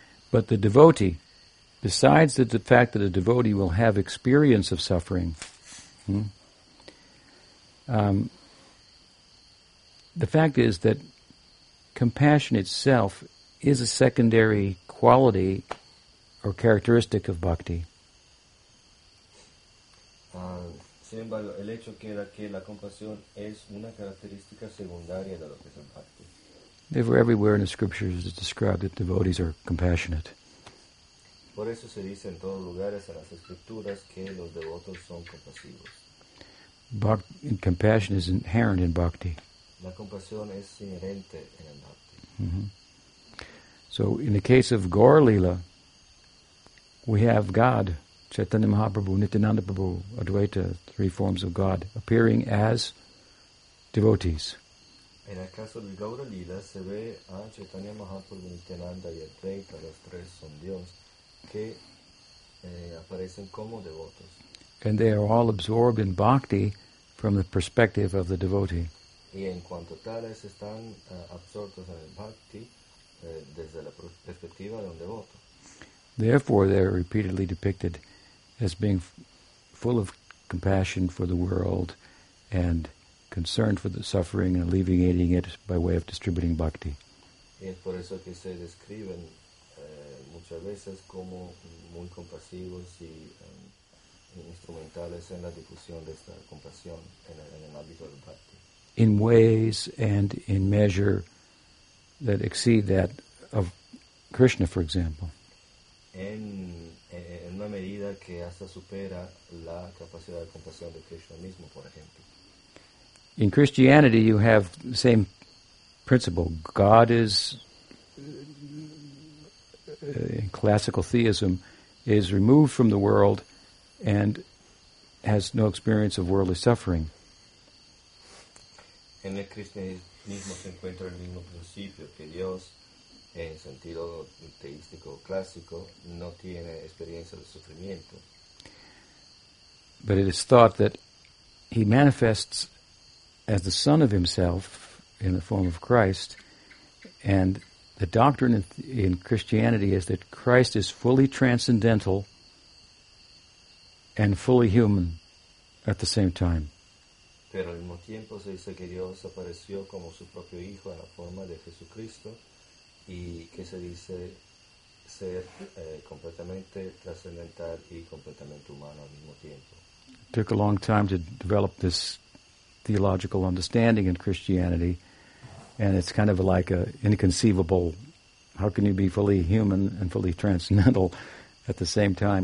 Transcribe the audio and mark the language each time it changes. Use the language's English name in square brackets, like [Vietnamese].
[English] But the devotee, besides the fact that a devotee will have experience of suffering, the fact is that compassion itself is a secondary quality or characteristic of bhakti. [Spanish] Sin embargo, el hecho queda que la compasión es una característica secundaria de lo que es el bhakti. [English] Therefore, everywhere in the scriptures it is described that devotees are compassionate. [Spanish] Por eso se dice en todos lugares en las escrituras que los devotos son compasivos. [English] Compassion is inherent in bhakti. [Spanish] La compasión es inherente en el bhakti. [English] Mm-hmm. So, in the case of Gaur Lila, we have God, Chaitanya Mahaprabhu, Nityananda Prabhu, Advaita, three forms of God, appearing as devotees. [Spanish] En el caso del Gaura Lila se ve a Chaitanya Mahaprabhu, Nityananda y Advaita, los tres son Dios, que aparecen como devotos. [English] And they are all absorbed in bhakti from the perspective of the devotee. [Spanish] Y en cuanto tales están absortos en el bhakti desde la perspectiva de un devoto. [English] Therefore, they are repeatedly depicted as being full of compassion for the world and concerned for the suffering and alleviating it by way of distributing bhakti. [Spanish] Y es por eso que se describen muchas veces como muy compasivos y instrumentales en la difusión de esta compasión en el ámbito del bhakti. [English] In ways and in measure that exceed that of Krishna, for example. [Spanish] En una medida que hasta supera la capacidad de compasión de Krishna mismo, por ejemplo. [English] In Christianity, you have the same principle. God is, in classical theism, is removed from the world and has no experience of worldly suffering. [Spanish] En el cristianismo se encuentra el mismo principio que Dios, en sentido teístico clásico, no tiene experiencia de sufrimiento. [English] But it is thought that he manifests as the Son of Himself in the form of Christ, and the doctrine in Christianity is that Christ is fully transcendental and fully human at the same time. [Spanish] Pero al mismo tiempo se dice que Dios apareció como su propio hijo en la forma de Jesucristo y que se dice ser completamente trascendental y completamente humano al mismo tiempo. [English] It took a long time to develop this theological understanding in Christianity, and it's kind of like a inconceivable, how can you be fully human and fully transcendental at the same time?